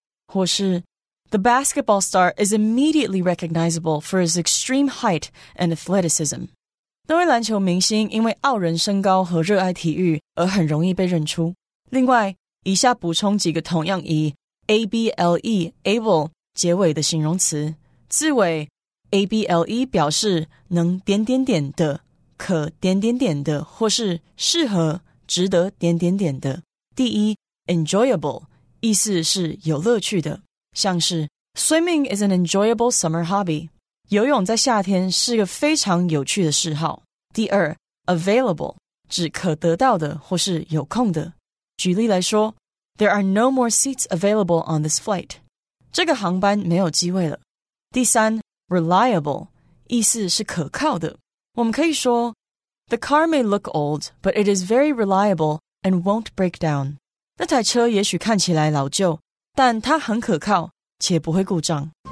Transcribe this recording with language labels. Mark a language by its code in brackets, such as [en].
[zh] 或是 [en] ,The basketball star is immediately recognizable for his extreme height and athleticism. [zh] 那位篮球明星因为傲人身高和热爱体育而很容易被认出。另外以下补充几个同样以 able, able 结尾的形容词。字尾 able 表示能点点点的、可点点点的或是适合、值得点点点的。第一 enjoyable 意思是有乐趣的，像是 [en] swimming is an enjoyable summer hobby， [zh] 游泳在夏天是个非常有趣的嗜好。第二 available 指可得到的或是有空的。举例来说 [en] ，There are no more seats available on this flight， [zh] 这个航班没有机位了。第三 ,reliable, 意思是可靠的。我们可以说 [en] ,the car may look old, but it is very reliable and won't break down. [zh] 那台车也许看起来老旧，但它很可靠，且不会故障。